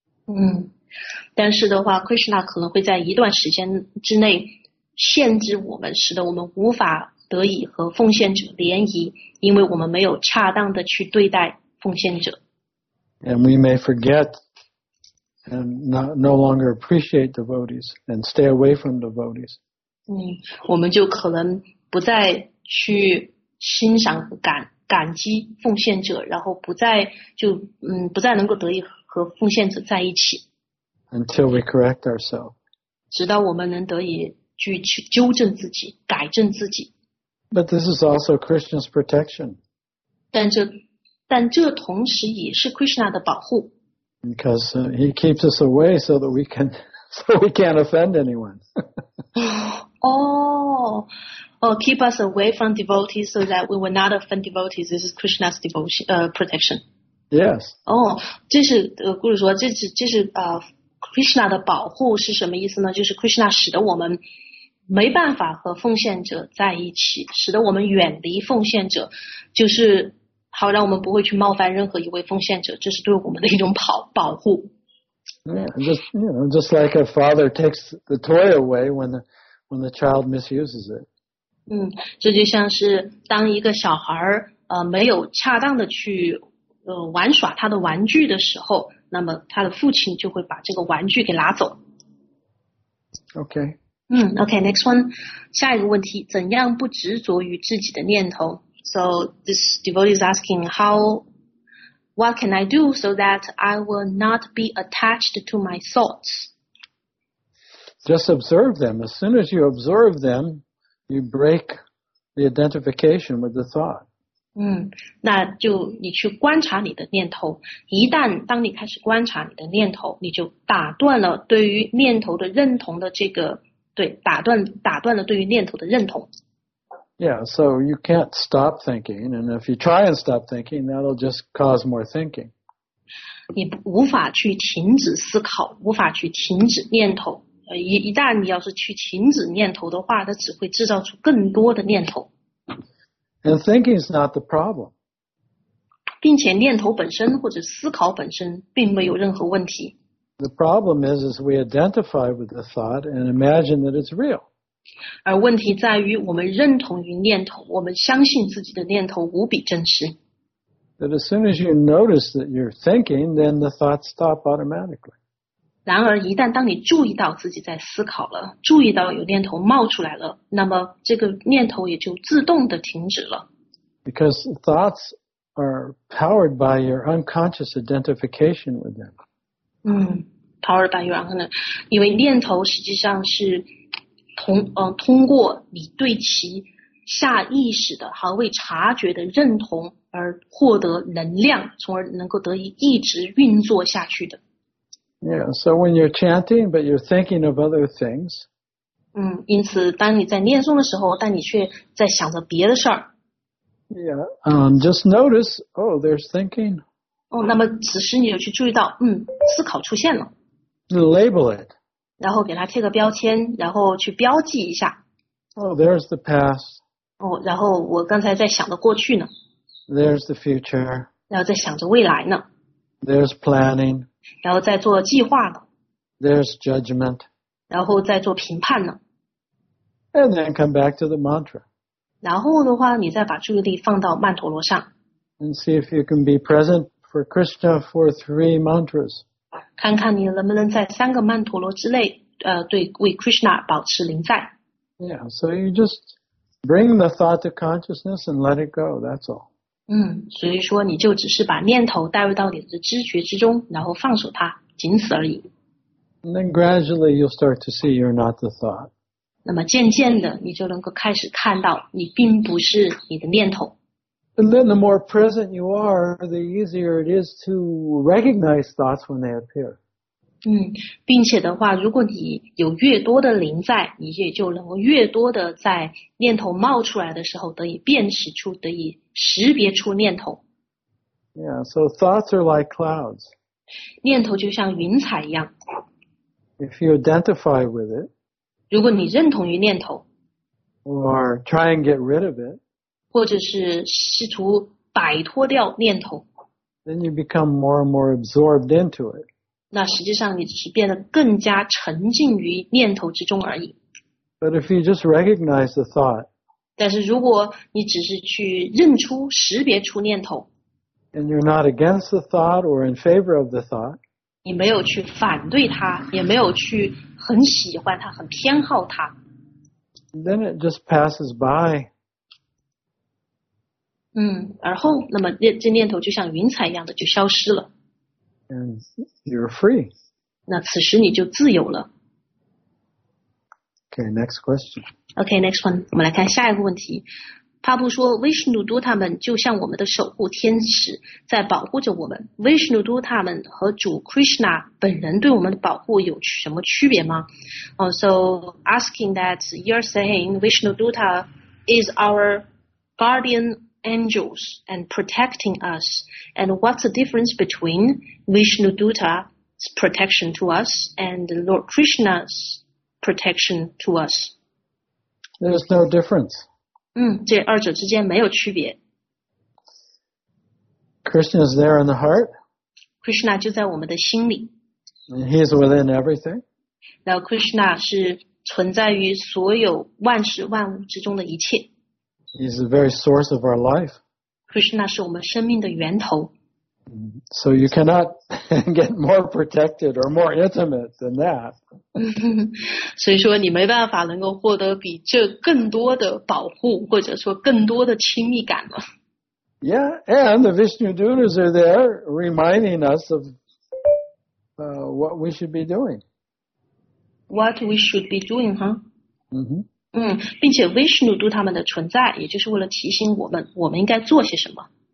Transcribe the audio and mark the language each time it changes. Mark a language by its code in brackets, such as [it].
[zh] 嗯，但是的话 ，Krishna 可能会在一段时间之内限制我们，使得我们无法得以和奉献者联谊，因为我们没有恰当的去对待奉献者。 [en] And we may forget and no longer appreciate devotees and stay away from devotees. [zh] 嗯，我们就可能不再去欣赏感激奉献者，然后不再能够得以和奉献者在一起。 [en] Until we correct ourselves. [zh] 直到我们能得以去纠正自己，改正自己。 [en] But this is also Krishna's protection. [zh] 但这同时也是 Krishna 的保护。 [en] Because he keeps us away so that we can offend anyone. keep us away from devotees so that we will not offend devotees. This is Krishna's devotion, protection. Yes. [zh] Oh, 这是Guru说，这是Krishna 的保护是什么意思呢？就是 Krishna 使得我们没办法和奉献者在一起，使得我们远离奉献者，就是好让我们不会去冒犯任何一位奉献者，这是对我们的一种保护。 [en] Yeah, just like a father takes the toy away when the child misuses it. [zh] 嗯，这就像是当一个小孩没有恰当的去玩耍他的玩具的时候，那么他的父亲就会把这个玩具给拿走。 [en] Okay. 嗯 ，Okay, next one. [zh] 下一个问题，怎样不执着于自己的念头 [en] ？So this devotee is asking how. What can I do so that I will not be attached to my thoughts? Just observe them. As soon as you observe them, you break the identification with the thought. [zh] 那就你去观察你的念头。一旦当你开始观察你的念头，你就打断了对于念头的认同的这个，对，打断了对于念头的认同。 [en] Yeah, so you can't stop thinking, and if you try and stop thinking, that'll just cause more thinking. [zh] 你无法去停止思考，无法去停止念头。一旦你要是去停止念头的话，它只会制造出更多的念头。 [en] And thinking is not the problem. [zh] 并且念头本身或者思考本身并没有任何问题。 [en] The problem is we identify with the thought and imagine that it's real. [zh] 而问题在于，我们认同于念头，我们相信自己的念头无比真实。 [en] That as soon as you notice that you're thinking, then the thoughts stop automatically. [zh] 然而，一旦当你注意到自己在思考了，注意到有念头冒出来了，那么这个念头也就自动的停止了。 [en] Because thoughts are powered by your unconscious identification with them. Powered by your unconscious, [zh] 因为念头实际上是。通过你对其下意识的毫未察觉的认同而获得能量，从而能够得以一直运作下去的。 [en] Yeah, so when you're chanting, but you're thinking of other things. [zh] 因此当你在念诵的时候，但你却在想着别的事儿。 [en] Yeah, just notice, oh, there's thinking. [zh] 哦，那么此时你就去注意到，嗯，思考出现了。 [en] Label it. [zh] 然后给它贴个标签，然后去标记一下。 [en] Oh, there's the past. [zh] 哦，然后我刚才在想的过去呢。 [en] There's the future. [zh] 然后在想着未来呢。 [en] There's planning. [zh] 然后在做计划呢。 [en] There's judgment. [zh] 然后在做评判呢。 [en] And then come back to the mantra. [zh] 然后的话，你再把注意力放到曼陀罗上。 [en] And see if you can be present for Krishna for three mantras. [zh] 看看你能不能在三个曼陀罗之内，对，为 Krishna 保持临在。 [en] Yeah, so you just bring the thought to consciousness and let it go, that's all. [zh] 嗯，所以说你就只是把念头带入到你的知觉之中，然后放手它，仅此而已。 [en] And then gradually you'll start to see you're not the thought. [zh] 那么渐渐的你就能够开始看到你并不是你的念头。 [en] And then the more present you are, the easier it is to recognize thoughts when they appear. [zh] 嗯，并且的话，如果你有越多的临在，你也就能够越多的在念头冒出来的时候得以辨识出，得以识别出念头。 [en] Yeah, so thoughts are like clouds. [zh] 念头就像云彩一样。 [en] If you identify with it, [zh] 如果你认同于念头， [en] or try and get rid of it, [zh] 或者是试图摆脱掉念头， [en] then you become more and more absorbed into it. [zh] 那实际上你只是变得更加沉浸于念头之中而已。 [en] But if you just recognize the thought, [zh] 但是如果你只是去认出、识别出念头， [en] and you're not against the thought or in favor of the thought, [zh] 你没有去反对它，也没有去很喜欢它，很偏好它。 [en] Then it just passes by. [zh] 嗯，而后，那么这念头就像云彩一样的就消失了。 [en] And you're free. [zh] 那此时你就自由了。 [en] Okay, next question. Okay, next one. [zh] 我们来看下一个问题。帕布说 ，Vishnu Dutta 们就像我们的守护天使，在保护着我们。 Vishnu Dutta 们和主 Krishna 本人对我们的保护有什么区别吗 [en] ？So asking that you're saying Vishnu Dutta is our guardian angels and protecting us, and what's the difference between Vishnu Dutta's protection to us and Lord Krishna's protection to us? There's no difference. [zh] 嗯，这二者之间没有区别。 [en] Krishna is there in the heart. [zh] Krishna 就在我们的心里。 [en] And he is within everything. [zh] 然后 Krishna 是存在于所有万事万物之中的一切。 [en] He's the very source of our life. [zh] Krishna 是我们生命的源头。 [en] So you cannot get more protected or more intimate than that. [zh] 所以说你没办法能够获得比这更多的保护，或者说更多的亲密感了。 [en] Yeah, and the Vishnu Dutas are there reminding us of what we should be doing. What we should be doing, huh? Mm-hmm. [zh] 嗯，并且 Vishnu Dutas 他们的存在，也就是为了提醒我们，我们应该做些什么。